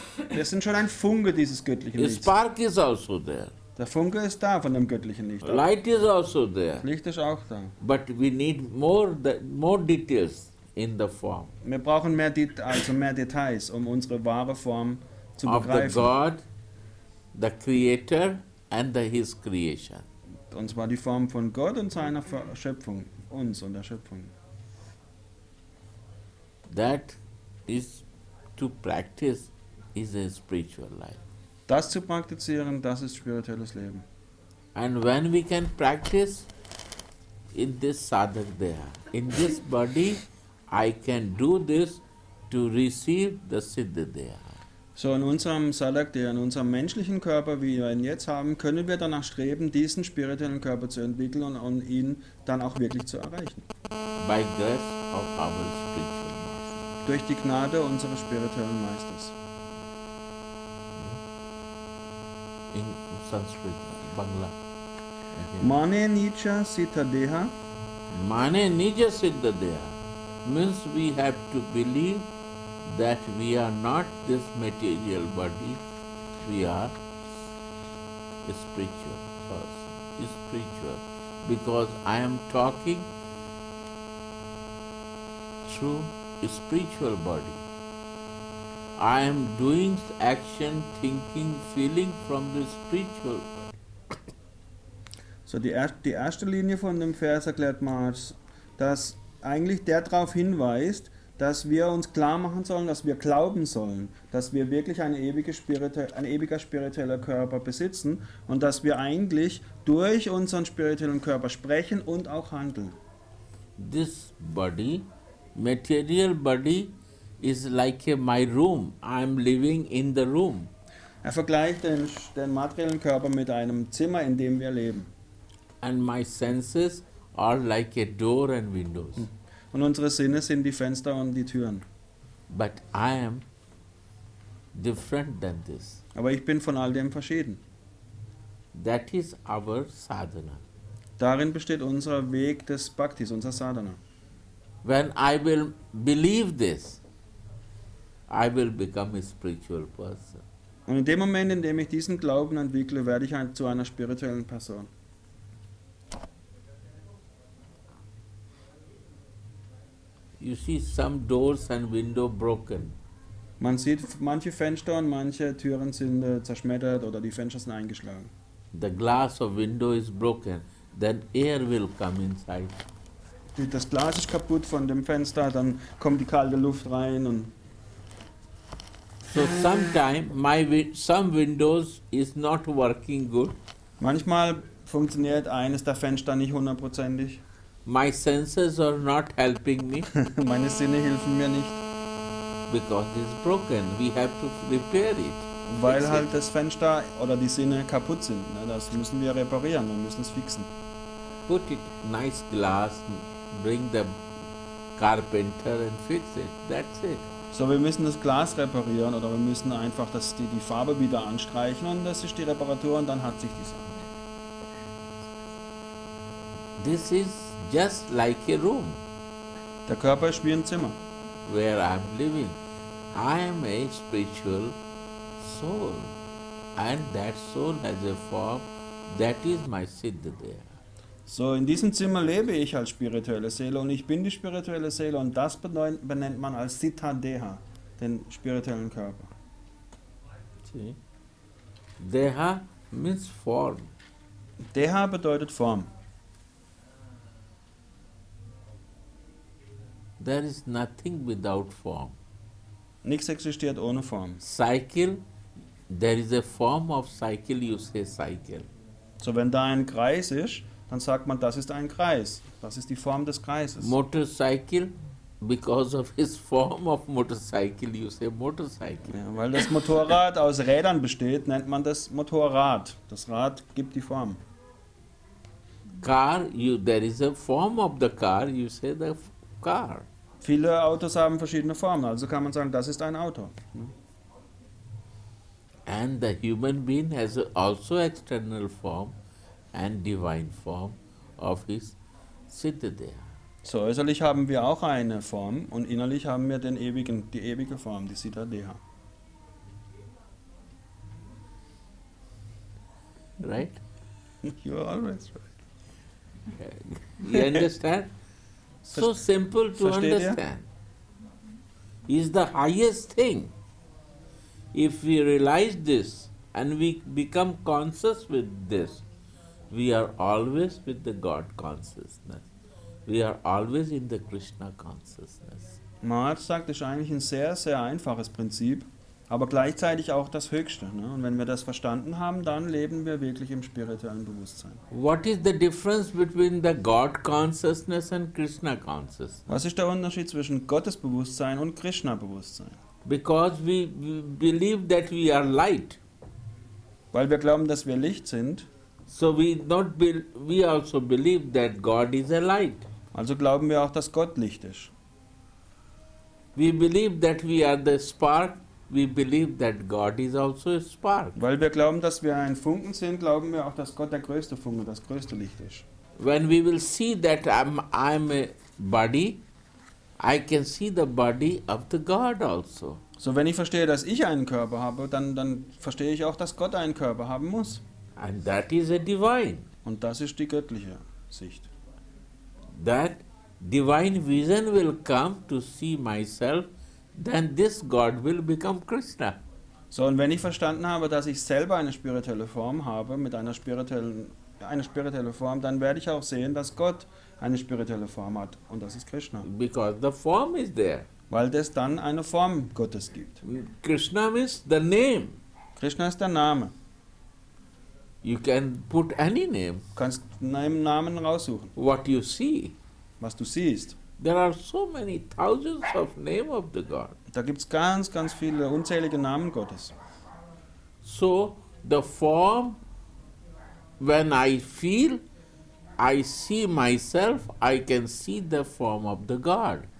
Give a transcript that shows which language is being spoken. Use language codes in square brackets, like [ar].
[de] Wir sind schon ein Funke dieses göttlichen Lichts. [en] The spark is also there. [de] Der Funke ist da von dem göttlichen Licht. [en] Light is also there. [de] Licht ist auch da. [en] But we need more details. in the form. [de] Wir brauchen mehr Details, um unsere wahre Form zu [en] of [de] begreifen. [en] Of the God, the Creator and the, His creation. [de] Und zwar die Form von Gott und seiner Schöpfung, uns und der Schöpfung. [en] That is to practice is a spiritual life. [de] Das zu praktizieren, das ist spirituelles Leben. [en] And when we can practice in this sadhak deha, in this body, I can do this to receive the siddha deha. [de] So in unserem sadhak deha, in unserem menschlichen Körper, wie wir ihn jetzt haben, können wir danach streben, diesen spirituellen Körper zu entwickeln und ihn dann auch wirklich zu erreichen. [en] By grace of our spiritual master. [de] Durch die Gnade unseres spirituellen Meisters. [en] In Sanskrit, Bangla. [bn] Mane nija siddha deha. Mane nija siddha deha [en] means we have to believe that we are not this material body, we are spiritual person, spiritual. Because I am talking through spiritual body. I am doing action, thinking, feeling from the spiritual [de] body. So die erste Linie von dem Vers erklärt Maharaj, dass eigentlich der darauf hinweist, dass wir uns klar machen sollen, dass wir glauben sollen, dass wir wirklich ein ewiger spiritueller Körper besitzen und dass wir eigentlich durch unseren spirituellen Körper sprechen und auch handeln. [en] This body, material body, is like my room. I'm living in the room. [de] Er vergleicht den materiellen Körper mit einem Zimmer, in dem wir leben. [en] And my senses are like a door and windows. [de] Und unsere Sinne sind die Fenster und die Türen. [en] But I am different than this. [de] Aber ich bin von all dem verschieden. [en] That is our sadhana. [de] Darin besteht unser Weg des Bhaktis, unser Sadhana. [en] When I will believe this, I will become a spiritual person. [de] Und in dem Moment, in dem ich diesen Glauben entwickle, werde ich zu einer spirituellen Person. [en] You see some doors and window broken. [de] Man sieht manche Fenster und manche Türen sind zerschmettert oder die Fenster sind eingeschlagen. [en] The glass of window is broken, then air will come inside. [de] Das Glas ist kaputt von dem Fenster, dann kommt die kalte Luft rein und [en] so sometimes some windows is not working good. [de] Manchmal funktioniert eines der Fenster nicht hundertprozentig. [en] My senses are not helping me. [de] Meine Sinne helfen mir nicht. [en] Because it's broken, we have to repair it. [de] Weil halt das Fenster oder die Sinne kaputt sind, ne? Das müssen wir reparieren, wir müssen es fixen. [en] Put it nice glass, bring the carpenter and fix it. That's it. [de] So, wir müssen das Glas reparieren oder wir müssen einfach das, die Farbe wieder anstreichen und das ist die Reparatur und dann hat sich die Sache. [en] This is just like a room. [de] Der Körper ist wie ein Zimmer. [en] Where I'm living. I am a spiritual soul. And that soul has a form. That is my siddha there. [de] So, in diesem Zimmer lebe ich als spirituelle Seele und ich bin die spirituelle Seele und das benennt man als Siddha Deha, den spirituellen Körper. [en] See? Deha means form. [de] Deha bedeutet Form. [en] There is nothing without form. [de] Nichts existiert ohne Form. [en] Cycle, there is a form of cycle, you say cycle. [de] So, wenn da ein Kreis ist, dann sagt man, das ist ein Kreis. Das ist die Form des Kreises. [en] Motorcycle, because of his form of motorcycle, you say motorcycle. [de] Ja, weil das Motorrad aus Rädern besteht, nennt man das Motorrad. Das Rad gibt die Form. [en] Car, there is a form of the car, you say the car. [de] Viele Autos haben verschiedene Formen, also kann man sagen, das ist ein Auto. [en] And the human being has also external form. And divine form of his siddha deha. [de] So äußerlich haben wir auch eine Form und innerlich haben wir den ewigen, die ewige Form, die siddha deha. [en] Right? You're always right. You understand? so simple to understand. It's the highest thing. If we realize this and we become conscious with this, we are always with the God consciousness. We are always in the Krishna consciousness. [de] Maharaj sagt, es ist eigentlich ein sehr, sehr einfaches Prinzip, aber gleichzeitig auch das Höchste. Ne? Und wenn wir das verstanden haben, dann leben wir wirklich im spirituellen Bewusstsein. [en] What is the difference between the God consciousness and Krishna consciousness? [de] Was ist der Unterschied zwischen Gottes Bewusstsein und Krishna Bewusstsein? [en] Because we believe that we are light. [de] Weil wir glauben, dass wir Licht sind. [en] So we also believe that God is a light. [de] Also glauben wir auch, dass Gott Licht ist. [en] We believe that we are the spark. We believe that God is also a spark. [de] Weil wir glauben, dass wir ein Funken sind, glauben wir auch, dass Gott der größte Funke, das größte Licht ist. [en] When we will see that I'm a body, I can see the body of the God also. [de] So wenn ich verstehe, dass ich einen Körper habe, dann verstehe ich auch, dass Gott einen Körper haben muss. [en] And that is a divine. [de] Und das ist die göttliche Sicht. [en] That divine vision will come to see myself, then this God will become Krishna. [de] So, und wenn ich verstanden habe, dass ich selber eine spirituelle Form habe, mit einer spirituellen Form, dann werde ich auch sehen, dass Gott eine spirituelle Form hat, und das ist Krishna. [en] Because the form is there. [de] Weil es dann eine Form Gottes gibt. [en] Krishna is the name. [de] Krishna ist der Name. [en] You can put any name. [de] Kannst einen Namen raussuchen. [en] What you see. [de] Was du siehst. [en] There are so many thousands of name of the God. [de] Da gibt's ganz, ganz viele unzählige Namen Gottes. [en] So the form, when I feel, I see myself, I can see the form of the God.